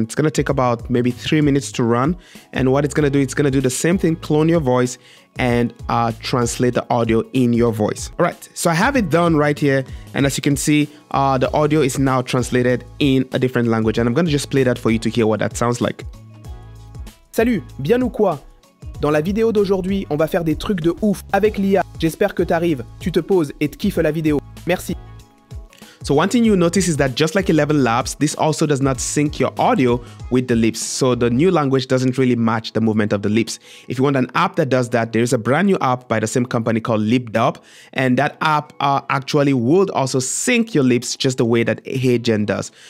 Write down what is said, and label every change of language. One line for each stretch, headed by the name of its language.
English: It's going to take about maybe 3 minutes to run. And what it's going to do, it's going to do the same thing, clone your voice and translate the audio in your voice. All right, so I have it done right here. And as you can see, the audio is now translated in a different language. And I'm going to just play that for you to hear what that sounds like.
French: Salut, bien ou quoi? Dans la vidéo d'aujourd'hui, on va faire des trucs de ouf avec l'IA. J'espère que t'arrives, tu te poses et t'kiffes la vidéo. Merci.
English: So one thing you notice is that just like ElevenLab, this also does not sync your audio with the lips. So the new language doesn't really match the movement of the lips. If you want an app that does that, there is a brand new app by the same company called LipDub. And that app actually would also sync your lips just the way that HeyGen does.